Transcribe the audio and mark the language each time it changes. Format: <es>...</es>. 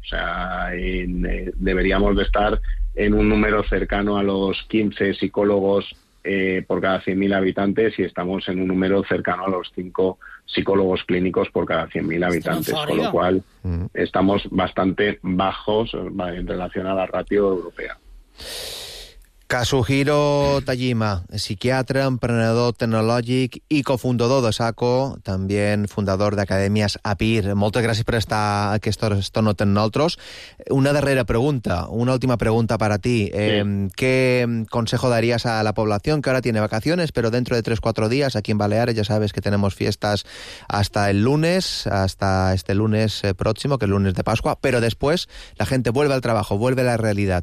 <es>O sea, deberíamos de estar en un número cercano a los 15 psicólogos por cada 100.000 habitantes, y estamos en un número cercano a los 5 psicólogos clínicos por cada 100.000 habitantes, con lo cual estamos bastante bajos en relación a la ratio europea.</es> <ca>Kazuhiro Tajima, psiquiatra, emprenedor tecnològic i cofundador de Saco, també fundador d'Acadèmies APIR. Moltes gràcies per estar aquesta estona amb nosaltres. Una última pregunta per a ti. Sí.</ca> <es>¿Qué consejo darías a la población que ahora tiene vacaciones, pero dentro de 3-4 días aquí en Baleares ya sabes que tenemos fiestas hasta este lunes próximo, que es el lunes de Pascua, pero después la gente vuelve al trabajo, vuelve a la realidad?</es>